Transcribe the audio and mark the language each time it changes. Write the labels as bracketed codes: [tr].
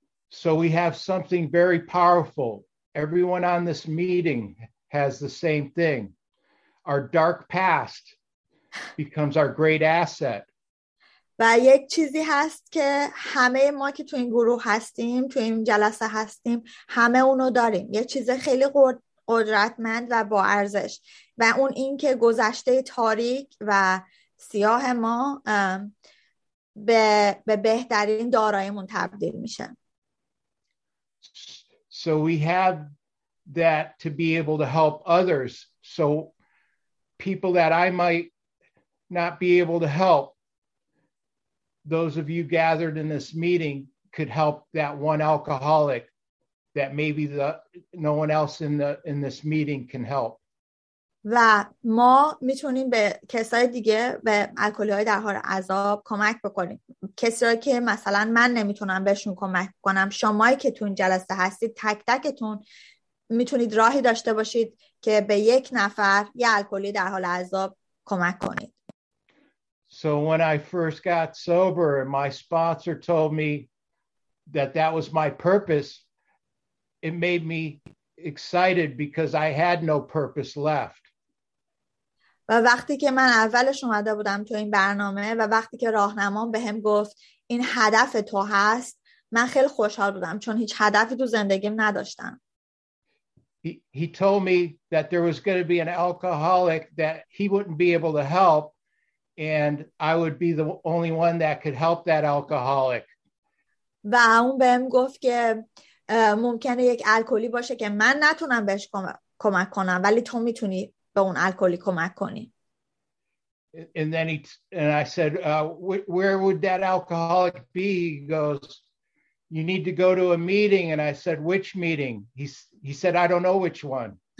[en] So we have something very powerful. Everyone on this meeting has the same thing. Our dark past becomes our great asset. [fa] و یک چیزی هست که همه ما که تو این گروه هستیم، تو این جلسه هستیم، همه اونو داریم. یه چیز خیلی قدرتمند و با ارزش. و اون این که گذشته تاریک و سیاه ما به بهترین داراییمون تبدیل میشه. [en] So we have that to be able to help others. So people that I might not be able to help, those of you gathered in this meeting could help that one alcoholic that maybe no one else in this meeting can help. [fa] و ما میتونیم به کسای دیگه، به الکلی های در حال عذاب کمک بکنیم. کسایی که مثلا من نمیتونم بهشون کمک کنم، شمایی که تون جلسه هستید، تک تکتون میتونید راهی داشته باشید که به یک نفر یه الکلی در حال عذاب کمک کنید. [en] So when I first got sober, my sponsor told me that that was my purpose. It made me excited because I had no purpose left. [fa] و وقتی که من اولش اومده بودم تو این برنامه و وقتی که راهنمام بهم گفت این هدف تو هست، من خیلی خوشحال بودم چون هیچ هدفی تو زندگیم نداشتم. [en] He told me that there was going to be an alcoholic that he wouldn't be able to help. And I would be the only one that could help that alcoholic. [fa] و اون بهم گفت که ممکنه یک الکلی باشه که من نتونم بهش کمک کنم، ولی تو میتونی به اون الکلی کمک کنی. [en] And then I said, where would that alcoholic be? He goes, you need to go to a meeting. And I said, which meeting? He said, I don't know which one.